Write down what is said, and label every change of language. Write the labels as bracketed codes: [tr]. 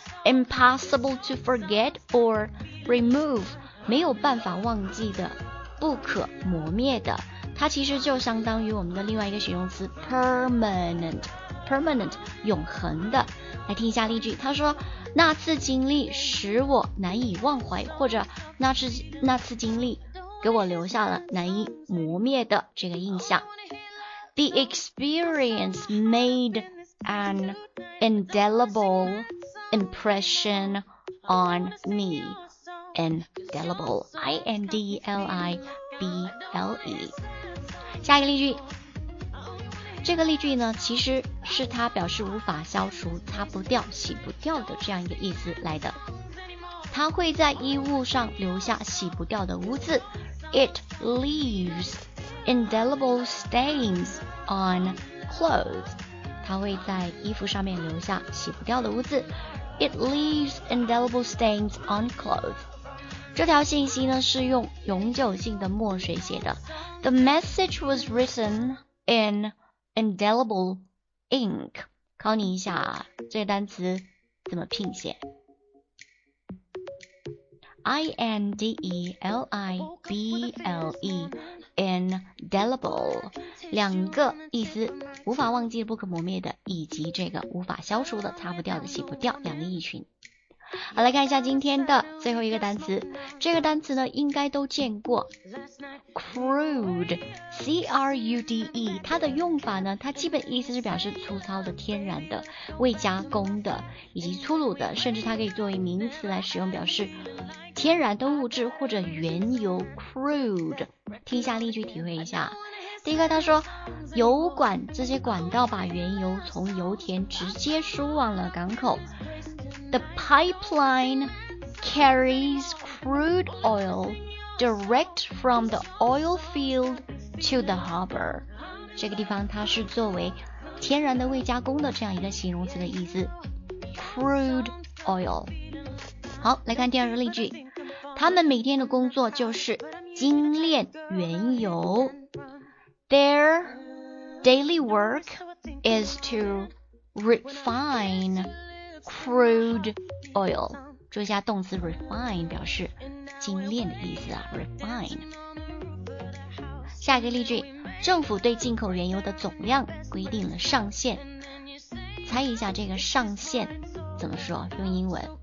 [en] impossible to forget or remove， [zh] 没有办法忘记的，不可磨灭的。它其实就相当于我们的另外一个形容词 permanent， permanent 永恒的。来听一下例句，他说那次经历使我难以忘怀，或者那次经历给我留下了难以磨灭的这个印象。 [en] The experience made an indelible impression on me. Indelible, I-N-D-E-L-I-B-L-E。 [zh] 下一个例句，这个例句呢，其实是它表示无法消除、擦不掉、洗不掉的这样一个意思来的。它会在衣物上留下洗不掉的污渍。 [en] It leaves indelible stains on clothes. [zh] 它会在衣服上面留下洗不掉的污渍。 [en] It leaves indelible stains on clothes. [zh] 这条信息呢是用永久性的墨水写的。 [en] The message was written in indelible ink. [zh] 考你一下，这个单词怎么拼写？ I-N-D-E-L-I-B-L-E Indelible 两个意思，无法忘记不可磨灭的，以及这个无法消除的擦不掉的洗不掉，两个意群。好，来看一下今天的最后一个单词，这个单词呢应该都见过， Crude C-R-U-D-E， 它的用法呢，它基本意思是表示粗糙的、天然的、未加工的以及粗鲁的，甚至它可以作为名词来使用，表示天然的物质或者原油 crude。听一下例句体会一下。第一个，他说油管这些管道把原油从油田直接输往了港口。 [en] The pipeline carries crude oil direct from the oil field to the harbor。 [zh] 这个地方它是作为天然的未加工的这样一个形容词的意思， crude oil。好，来看第二个例句，他们每天的工作就是精炼原油。 [en] Their daily work is to refine crude oil。 [zh] 注意一下动词 refine 表示精炼的意思啊， refine。下一个例句，政府对进口原油的总量规定了上限。猜一下这个上限怎么说，用英文。